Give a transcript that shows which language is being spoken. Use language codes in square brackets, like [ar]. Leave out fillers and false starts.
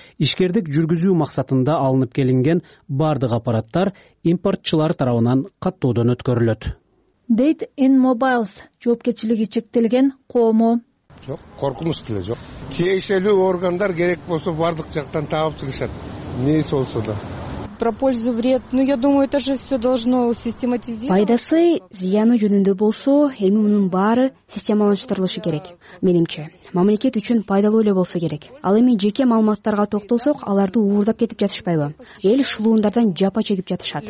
[ky] Ишкердик жүргүзүү максатында алынып келинген бардык аппараттар импортчылар тарабынан каттоодон өткөрүлөт. Дейт InMobiles жоопкерчилиги чектелген коомо. Жок, коркунуч деле жок. Тиешелүү органдар керек болсо бардык жактан таап чыгышат. Неси болсо да. [ru] Про пользу вред. Ну, я думаю, это же все должно систематизироваться. [ky] Пайдасы, зыяны жөнүндө болсо, эми мунун баары системалаштырылышы керек. Менимче, мамлекет үчүн пайдалуу эле болсо керек. Ал эми жеке маалыматтарга токтолсок, аларды уурдап кетип жатышпайбы? Эл шылуундардан жапа чегип жатышат.